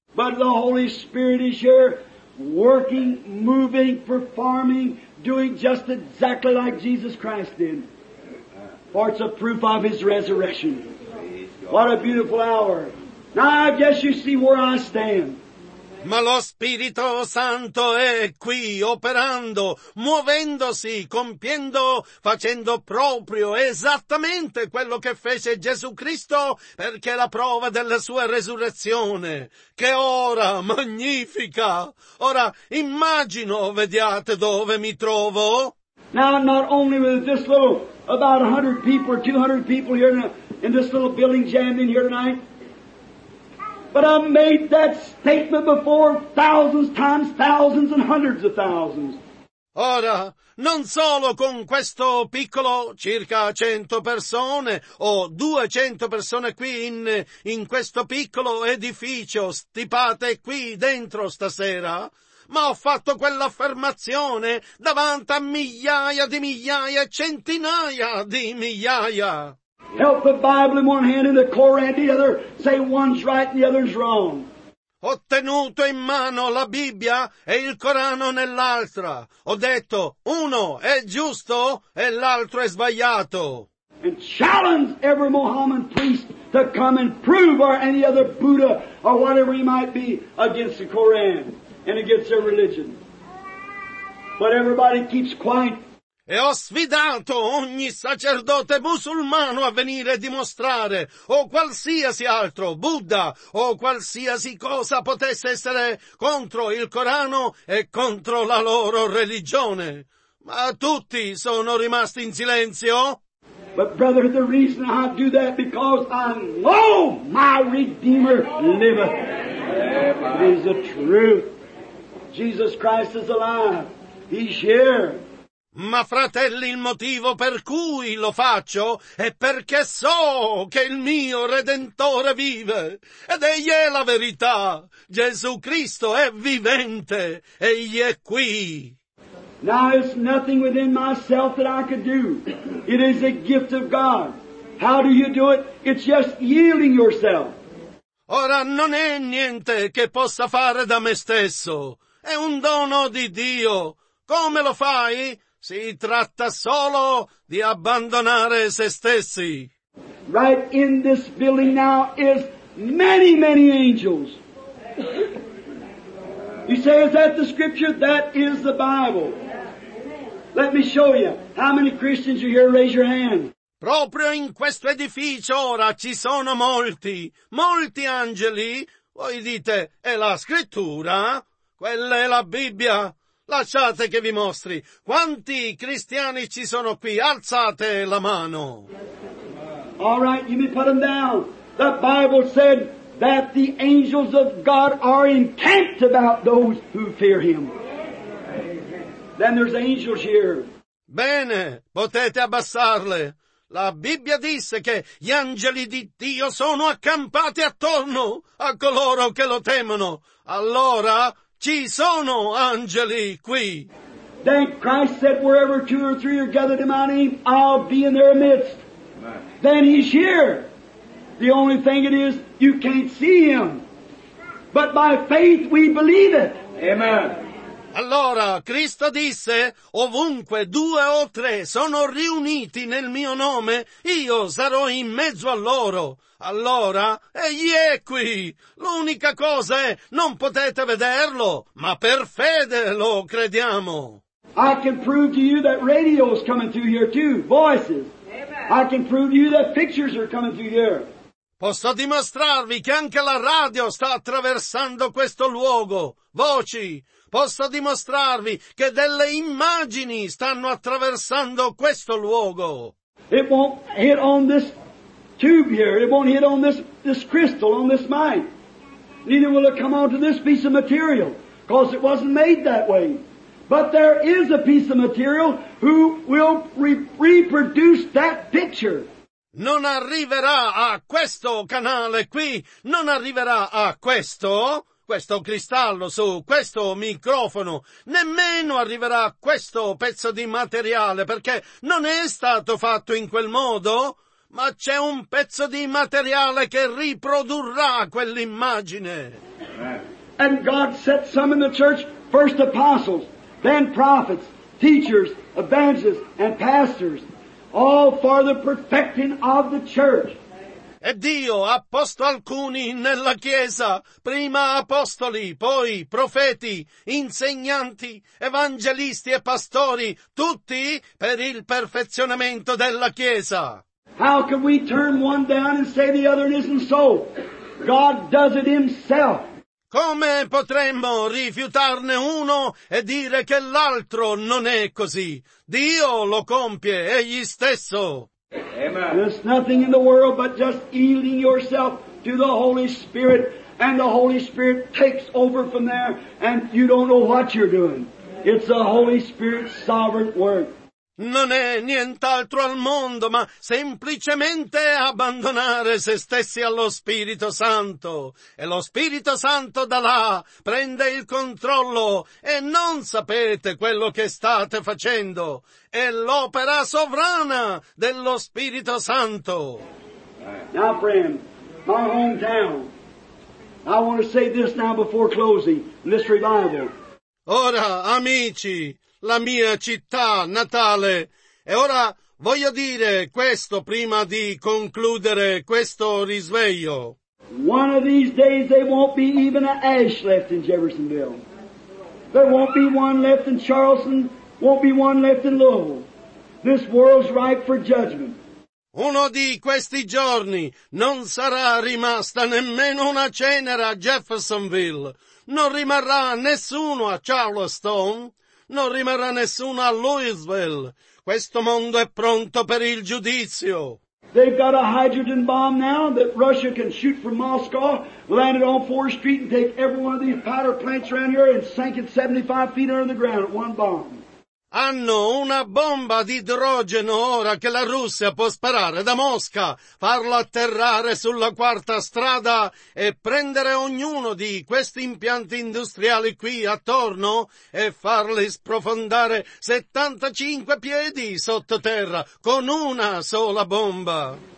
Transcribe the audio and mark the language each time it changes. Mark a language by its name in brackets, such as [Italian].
[English] But the Holy Spirit is here, working, moving, performing, doing just exactly like Jesus Christ did. For it's a proof of His resurrection. What a beautiful hour. Now I guess you see where I stand. [Italian] Ma lo Spirito Santo è qui, operando, muovendosi, compiendo, facendo proprio esattamente quello che fece Gesù Cristo, perché è la prova della sua resurrezione. Che ora magnifica! Ora immagino, vediate dove mi trovo. [English] Now not only with this little, about 100 people or 200 people here in this little building jammed in here tonight, but I made that statement before thousands times thousands and hundreds of thousands. [Italian] Ora, non solo con questo piccolo, circa 100 persone, o 200 persone qui in questo piccolo edificio, stipate qui dentro stasera, ma ho fatto quell'affermazione davanti a migliaia di migliaia, centinaia di migliaia. [English] Help the Bible in one hand and the Koran in the other. Say one's right and the other's wrong. [Italian] Ho tenuto in mano la Bibbia e il Corano nell'altra. Ho detto, uno è giusto e l'altro è sbagliato. [English] And challenge every Mohammedan priest to come and prove or any other Buddha or whatever he might be against the Koran and against their religion. But everybody keeps quiet. [Italian] E ho sfidato ogni sacerdote musulmano a venire a dimostrare, o qualsiasi altro, Buddha, o qualsiasi cosa potesse essere contro il Corano e contro la loro religione. Ma tutti sono rimasti in silenzio. [English] But brother, the reason I do that because I know my Redeemer liveth. It is the truth. Jesus Christ is alive. He's here. [Italian] Ma fratelli, il motivo per cui lo faccio è perché so che il mio Redentore vive, ed egli è la verità. Gesù Cristo è vivente, egli è qui. [English] Now it's nothing within myself that I could do. It is a gift of God. How do you do it? It's just yielding yourself. [Italian] Ora non è niente che possa fare da me stesso. È un dono di Dio. Come lo fai? Si tratta solo di abbandonare se stessi. [English] Right in this building now is many, many angels. You say, is that the scripture? That is the Bible. Let me show you. How many Christians are here? Raise your hand. [Italian] Proprio in questo edificio ora ci sono molti, molti angeli. Voi dite, è la scrittura? Quella è la Bibbia. Lasciate che vi mostri. Quanti cristiani ci sono qui? Alzate la mano. [English] All right, you may put them down. The Bible said that the angels of God are encamped about those who fear Him. Then there's angels here. [Italian] Bene, potete abbassarle. La Bibbia disse che gli angeli di Dio sono accampati attorno a coloro che lo temono. Allora, ci sono angeli qui. [English] Then Christ said, wherever two or three are gathered in my name, I'll be in their midst. Then he's here. The only thing it is, you can't see him. But by faith we believe it. Amen. [Italian] Allora, Cristo disse, ovunque due o tre sono riuniti nel mio nome, io sarò in mezzo a loro. Allora, egli è qui. L'unica cosa è, non potete vederlo, ma per fede lo crediamo. [English] I can prove to you that radio is coming through here too, voices. Amen. I can prove to you that pictures are coming through here. [Italian] Posso dimostrarvi che anche la radio sta attraversando questo luogo, voci. Posso dimostrarvi che delle immagini stanno attraversando questo luogo. [English] It won't hit on this tube here. It won't hit on this crystal, on this mic. Neither will it come onto this piece of material, because it wasn't made that way. But there is a piece of material who will reproduce that picture. [Italian] Non arriverà a questo canale qui, non arriverà a questo cristallo su questo microfono, nemmeno arriverà a questo pezzo di materiale, perché non è stato fatto in quel modo, ma c'è un pezzo di materiale che riprodurrà quell'immagine. [English] And God set some in the church, first apostles, then prophets, teachers, evangelists, and pastors. All for the perfecting of the church. [Italian] E Dio ha posto alcuni nella Chiesa, prima apostoli, poi profeti, insegnanti, evangelisti e pastori, tutti per il perfezionamento della Chiesa. [English] How can we turn one down and say the other isn't so? God does it himself. [Italian] Come potremmo rifiutarne uno e dire che l'altro non è così? Dio lo compie egli stesso. [English] Amen. There's nothing in the world but just yielding yourself to the Holy Spirit, and the Holy Spirit takes over from there, and you don't know what you're doing. It's the Holy Spirit's sovereign work. [Italian] Non è nient'altro al mondo, ma semplicemente abbandonare se stessi allo Spirito Santo. E lo Spirito Santo da là prende il controllo e non sapete quello che state facendo. È l'opera sovrana dello Spirito Santo. [English] Now, friend, my hometown. I want to say this now before closing, this revival. [Italian] Ora, amici, la mia città natale. E ora voglio dire questo prima di concludere questo risveglio. [English] One of these days there won't be even an ash left in Jeffersonville. There won't be one left in Charleston, won't be one left in Louisville. This world's ripe for judgment. [Italian] Uno di questi giorni non sarà rimasta nemmeno una cenere a Jeffersonville. Non rimarrà nessuno a Charleston. Non rimarrà nessuno a Louisville. Questo mondo è pronto per il giudizio. [English] They've got a hydrogen bomb now that Russia can shoot from Moscow, land it on 4th Street and take every one of these powder plants around here and sink it 75 feet under the ground at one bomb. [Italian] Hanno una bomba di idrogeno ora che la Russia può sparare da Mosca, farla atterrare sulla quarta strada e prendere ognuno di questi impianti industriali qui attorno e farli sprofondare 75 piedi sottoterra con una sola bomba.